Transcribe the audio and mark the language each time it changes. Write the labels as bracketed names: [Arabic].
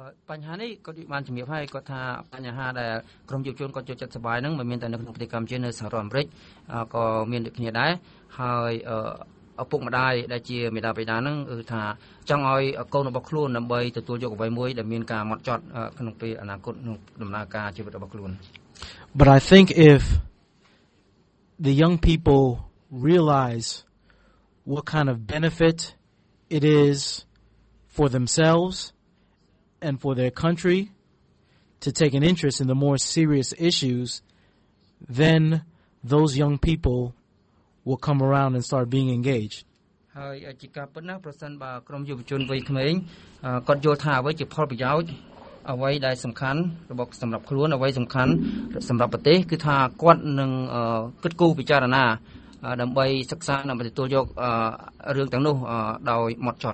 [Khmer] បញ្ហានេះក៏បានជំរាបហើយគាត់ថាបញ្ហាដែលក្រុមយុវជនគាត់ចូលចិត្តសប្បាយហ្នឹងមិនមានតែនៅក្នុងប្រទេសកម្ពុជានៅសហរដ្ឋអាមេរិកក៏មានដូចគ្នាដែរហើយឪពុកម្ដាយដែលជាមេដាបេដាហ្នឹងគឺថាចង់ឲ្យកូនរបស់ខ្លួនដើម្បីទទួលយកអ្វីមួយដែលមានការម៉ត់ចត់ក្នុងពេលអនាគតក្នុងដំណើរការជីវិតរបស់ខ្លួន [English] But I think if the young people realize what kind of benefit it is for themselves and for their country to take an interest in the more serious issues then those young peoplewill come around and start being engaged. [Khmer] ហើយជាការពិតណាស់ប្រសិនបើក្រុមយុវជនវ័យក្មេងគាត់យល់ថាអ្វីជាផលប្រយោជន៍អ្វីដែលសំខាន់របស់សម្រាប់ខ្លួនអ្វីសំខាន់សម្រាប់ប្រទេសគឺថាគាត់នឹងគិតគូរពិចារណាដើម្បីសិក្សានិងទទួលយករឿងទាំងនោះដោយម៉ត់ចត